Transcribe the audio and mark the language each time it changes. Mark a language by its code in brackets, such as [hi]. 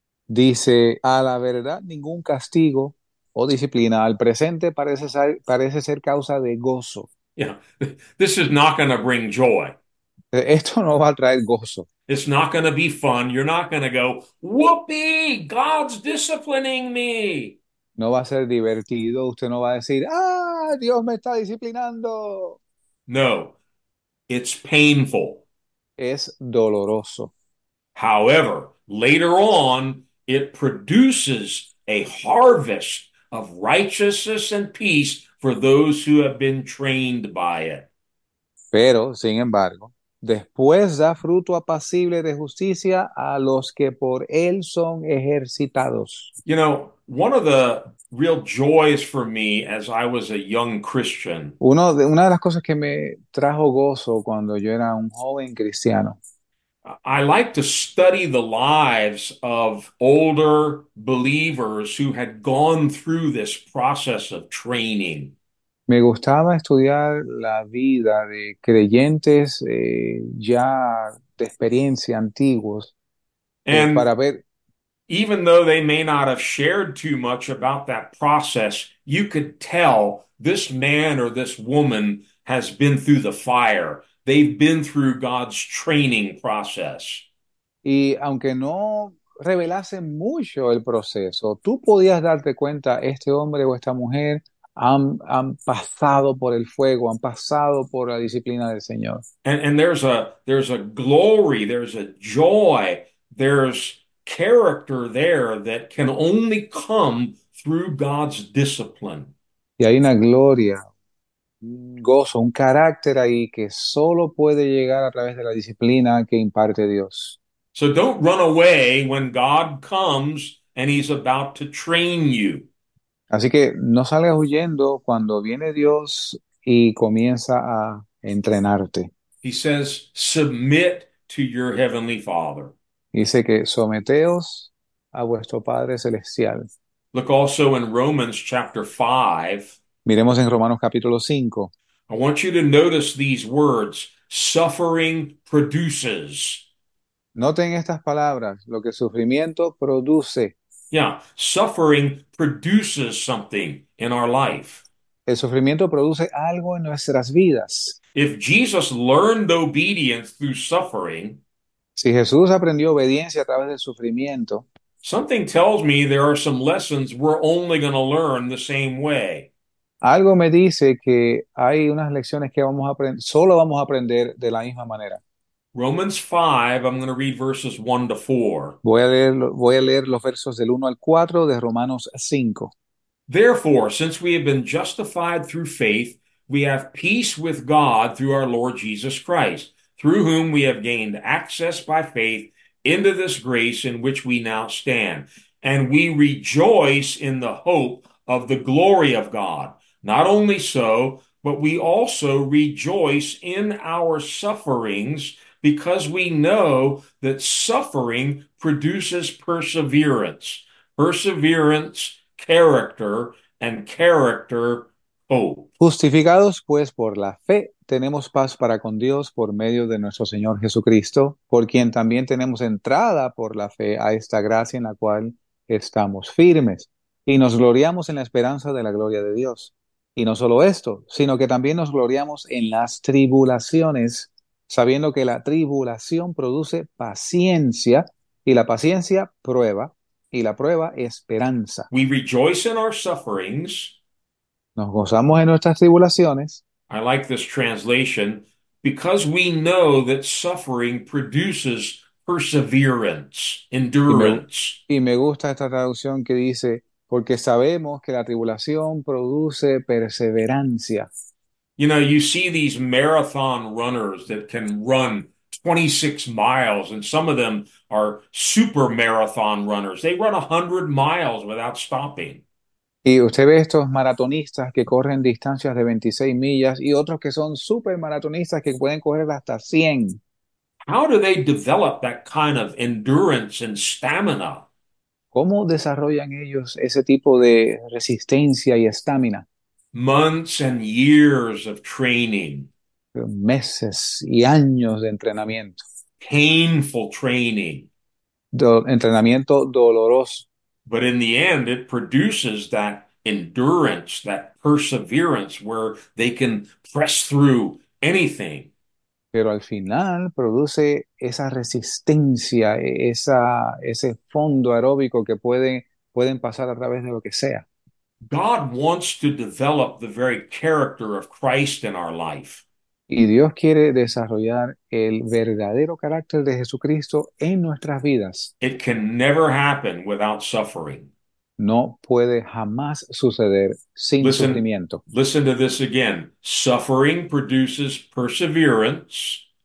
[es] Dice, a la verdad, ningún castigo o disciplina al presente parece ser causa de gozo. [en] Yeah, this is not going to bring joy. [es] Esto no va a traer gozo. [en] It's not going to be fun. You're not going to go, whoopee, God's disciplining me. [es] No va a ser divertido. Usted no va a decir, ah, Dios me está disciplinando. [en] No, it's painful. [es] Es doloroso. [en] However, later on, it produces a harvest of righteousness and peace for those who have been trained by it. [es] Pero, sin embargo, después da fruto apacible de justicia a los que por él son ejercitados. [en] One of the real joys for me as I was a young Christian [es] Una de las cosas que me trajo gozo cuando yo era un joven cristiano. [en] I like to study the lives of older believers who had gone through this process of training. [es] Me gustaba estudiar la vida de creyentes ya de experiencia antiguos para [en] And [es] ver. [en] even though they may not have shared too much about that process, you could tell this man or this woman has been through the fire. They've been through God's training process. [es] Y aunque no revelase mucho el proceso, tú podías darte cuenta, este hombre o esta mujer han pasado por el fuego, han pasado por la disciplina del Señor. [en] And there's a glory, there's a joy, there's character there that can only come through God's discipline. [es] Y hay una gloria, un gozo, un carácter ahí que solo puede llegar a través de la disciplina que imparte Dios. [en] So don't run away when God comes and he's about to train you. [es] Así que no salgas huyendo cuando viene Dios y comienza a entrenarte. [en] He says, submit to your heavenly Father. [es] Dice que someteos a vuestro Padre Celestial. [en] Look also in Romans chapter 5. [es] Miremos en Romanos capítulo 5. [en] I want you to notice these words, suffering produces. [es] Noten estas palabras, lo que sufrimiento produce. [en] Yeah, suffering produces something in our life. [es] El sufrimiento produce algo en nuestras vidas. [en] If Jesus learned obedience through suffering, [es] Si Jesús aprendió obediencia a través del sufrimiento, [en] something tells me there are some lessons we're only going to learn the same way. [es] algo me dice que hay unas lecciones que vamos a aprender, solo vamos a aprender de la misma manera. [en] Romans 5, I'm going to read verses 1 to 4. [es] Voy a leer los versos del 1 al 4 de Romanos 5. [en] Therefore, since we have been justified through faith, we have peace with God through our Lord Jesus Christ, through whom we have gained access by faith into this grace in which we now stand. And we rejoice in the hope of the glory of God. Not only so, but we also rejoice in our sufferings because we know that suffering produces perseverance. Perseverance, character, and character, hope. [es] Justificados pues por la fe, tenemos paz para con Dios por medio de nuestro Señor Jesucristo, por quien también tenemos entrada por la fe a esta gracia en la cual estamos firmes y nos gloriamos en la esperanza de la gloria de Dios. Y no solo esto, sino que también nos gloriamos en las tribulaciones, sabiendo que la tribulación produce paciencia y la paciencia prueba y la prueba esperanza. [en] We rejoice in our sufferings. [es] Nos gozamos en nuestras tribulaciones. [en] I like this translation because we know that suffering produces perseverance, endurance. [es] Y me gusta esta traducción que dice, porque sabemos que la tribulación produce perseverancia. [en] You see these marathon runners that can run 26 miles, and some of them are super marathon runners. They run 100 miles without stopping. [es] Y usted ve estos maratonistas que corren distancias de 26 millas y otros que son super maratonistas que pueden correr hasta 100. [en] How do they develop that kind of endurance and stamina? [es] ¿Cómo desarrollan ellos ese tipo de resistencia y estamina? [en] Months and years of training. [es] Meses y años de entrenamiento. [en] Painful training. [es] Entrenamiento doloroso. [en] But in the end, it produces that endurance, that perseverance, where they can press through anything. [es] Pero al final produce esa resistencia, ese fondo aeróbico que pueden pasar a través de lo que sea. [en] God wants to develop the very character of Christ in our life. [es] Y Dios quiere desarrollar el verdadero carácter de Jesucristo en nuestras vidas. [en] It can never happen without suffering. [es] No puede jamás suceder sin [en] Listen, [es] sufrimiento. [en] listen to this again. Suffering produces perseverance,